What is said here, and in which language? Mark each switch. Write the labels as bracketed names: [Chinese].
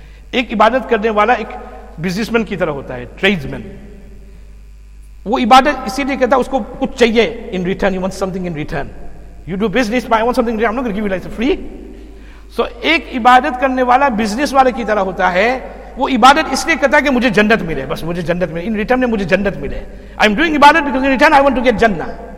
[Urdu] ایک عبادت کرنے والا ایک businessman کی طرح ہوتا ہے, tradesman. وہ عبادت اسی لیے کہتا ہے اس کو کچھ چاہیے [English] in return, you want something in return. You do business, but I want something in return. I'm not going to give you like free. [Urdu] So ایک عبادت کرنے والا business والے کی طرح ہوتا ہے. وہ عبادت اس لیے کرتا ہے کہ مجھے جنت ملے, بس مجھے جنت ملے, [English] in return [Urdu] میں مجھے جنت ملے. [English] I am doing عبادت because in return I want to get جنہ.